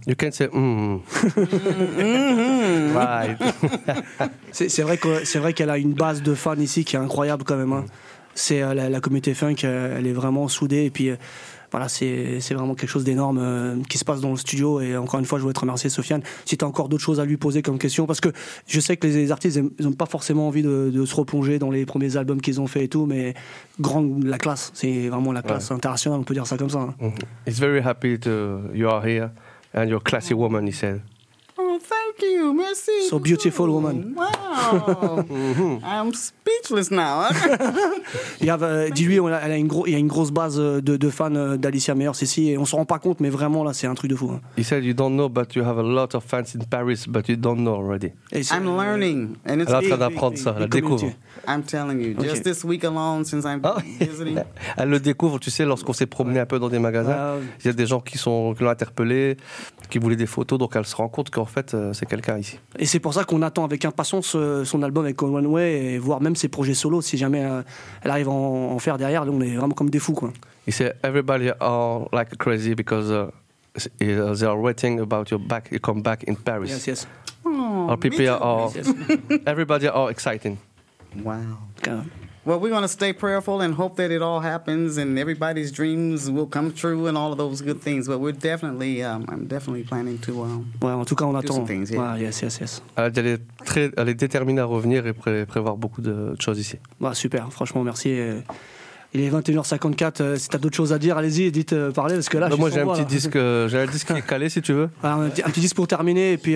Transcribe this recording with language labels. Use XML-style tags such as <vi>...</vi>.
<en>You can say, Right.</en> <fr>c'est vrai qu'elle a une base de fans ici qui est incroyable quand même. Hein. C'est la communauté funk, elle est vraiment soudée, et puis voilà, c'est vraiment quelque chose d'énorme qui se passe dans le studio, et encore une fois, je voulais te remercier, Sofiane, si tu as encore d'autres choses à lui poser comme question, parce que je sais que les artistes, ils n'ont pas forcément envie de se replonger dans les premiers albums qu'ils ont fait et tout, mais... la classe, c'est vraiment la classe internationale, on peut dire ça comme ça.</fr> <en>He's very happy to you are here and you're a classy woman, he said. Oh, thank you, merci. So beautiful woman. Wow. I'm speechless now.</en> <fr>Dis-lui, il y a une grosse base de fans d'Alicia Meyers ici et on se rend pas compte, mais vraiment là, c'est un truc de fou.</fr> <en>He said you don't know, but you have a lot of fans in Paris, but you don't know already. I'm learning, and it's.</en> <fr>Elle est en train d'apprendre ça, elle découvre.</fr> <en>I'm telling you, just this week alone since I'm visiting.</en> <fr>Elle le découvre, tu sais, lorsqu'on s'est promené un peu dans des magasins, il y a des gens qui l'ont interpellée, qui voulaient des photos, donc elle se rend compte qu'en fait, c'est quelqu'un ici. Et c'est pour ça qu'on attend avec impatience son album avec One Way, et voir même ses projets solo, si jamais elle arrive à en faire derrière. Là, on est vraiment comme des fous, quoi.</fr> <en>He said everybody are like crazy because they are waiting about your back. You come back in Paris. Yes, yes. Oh, our people are. Yes, yes. Everybody are exciting. Wow. God. Well, we're going to stay prayerful and hope that it all happens and everybody's dreams will come true and all of those good things. But we're definitely, I'm definitely planning to</en> <fr>ouais, en tout cas, on attend.</fr> <en>Do some things. Yeah. Ouais, yes, yes, yes.</en> <fr>Elle est déterminée à revenir et prévoir beaucoup de choses ici. Ouais, super, franchement, merci. Il est 21h54, si t'as d'autres choses à dire, allez-y, dites, parlez, parce que là, moi, j'ai un petit disque, j'ai un disque qui est calé, si tu veux. Alors, un petit disque pour terminer, et puis...</fr>